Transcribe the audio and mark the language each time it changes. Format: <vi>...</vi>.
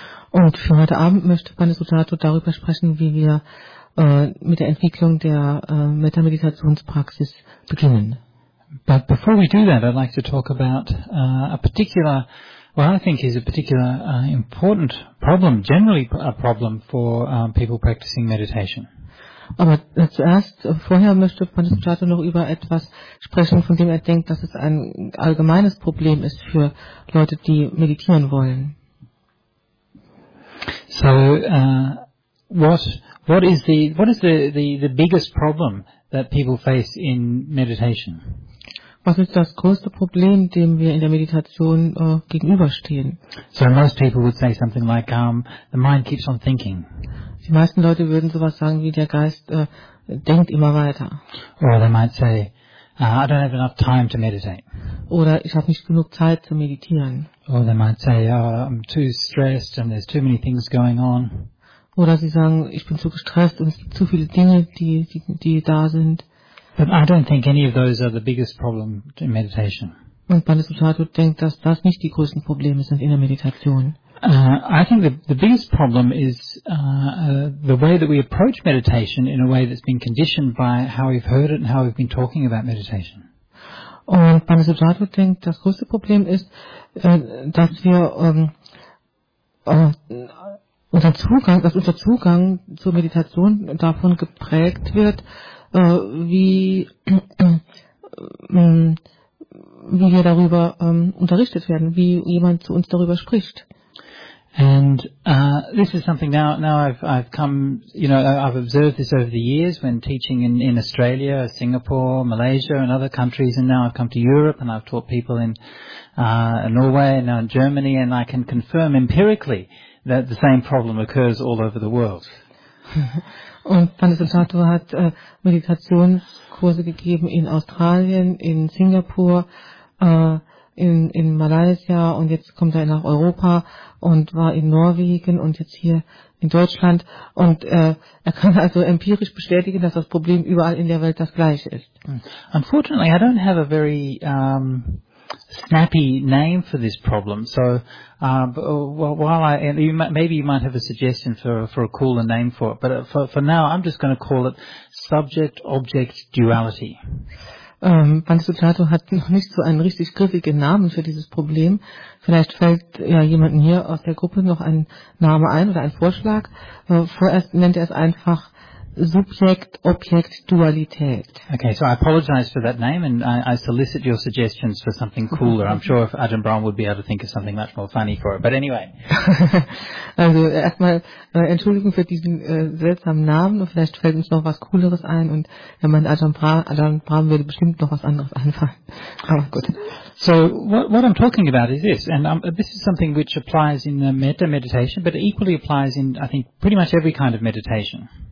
<de>Und für heute Abend möchte Bhante darüber sprechen, wie wir mit der Entwicklung der Metta-Meditationspraxis beginnen.</de> <en>But before we do that, I'd like to talk about a particular problem for people practicing meditation.</en> <de>Aber zuerst, vorher möchte Panchatur noch über etwas sprechen, von dem er denkt, dass es ein allgemeines Problem ist für Leute, die meditieren wollen.</de> <en>So, what is the biggest problem that people face in meditation?</en> <de>Was ist das größte Problem, dem wir in der Meditation gegenüberstehen?</de> <en>So most people would say something like the mind keeps on thinking.</en> <de>Die meisten Leute würden sowas sagen wie der Geist denkt immer weiter.</de> <en>Or they might say I don't have enough time to meditate.</en> <de>Oder ich habe nicht genug Zeit zu meditieren.</de> <en>Or they might say I'm too stressed and there's too many things going on.</en> <de>Oder sie sagen, ich bin zu gestresst und es gibt zu viele Dinge, die da sind.</de> <en>But I don't think any of those are the biggest problem in meditation.</en> <de>Und Bhante denkt, dass das nicht die größten Probleme sind in der Meditation.</de> <en>I think the biggest problem is the way that we approach meditation in a way that's been conditioned by how we've heard it and how we've been talking about meditation.</en> <de>Und Bhante denkt, das größte Problem ist, dass wir unser Zugang zur Meditation davon geprägt wird, wie wir darüber unterrichtet werden, wie jemand zu uns darüber spricht.</de> <en>And this is something now I've come, you know, I've observed this over the years when teaching in Australia, Singapore, Malaysia and other countries, and now I've come to Europe and I've taught people in Norway and now in Germany, and I can confirm empirically that the same problem occurs all over the world.</en> <de>Und Panasutato hat Meditationskurse gegeben in Australien, in Singapur, in Malaysia und jetzt kommt er nach Europa und war in Norwegen und jetzt hier in Deutschland. Und er kann also empirisch bestätigen, dass das Problem überall in der Welt das gleiche ist.</de> <en>Unfortunately, I don't have a very snappy name for this problem. So, maybe you might have a suggestion for a cooler name for it, but for now, I'm just going to call it subject-object duality.</en> <de>Bhante hat noch nicht so einen richtig griffigen Namen für dieses Problem. Vielleicht fällt ja jemanden hier aus der Gruppe noch ein Name ein oder ein Vorschlag. Vorerst nennt es einfach Subject-Object-Dualität.</de> <en>Okay, so I apologize for that name and I solicit your suggestions for something cooler. I'm sure if Ajahn Brahm would be able to think of something much more funny for it. But anyway.</en> <de>Also erstmal Entschuldigung für diesen seltsamen Namen und vielleicht fällt uns noch was Cooleres ein und wenn man Ajahn Brahm würde bestimmt noch was anderes anfangen. Aber gut.</de> <en>So what I'm talking about is this, and this is something which applies in the metta meditation, but it equally applies in, I think, pretty much every kind of meditation.</en>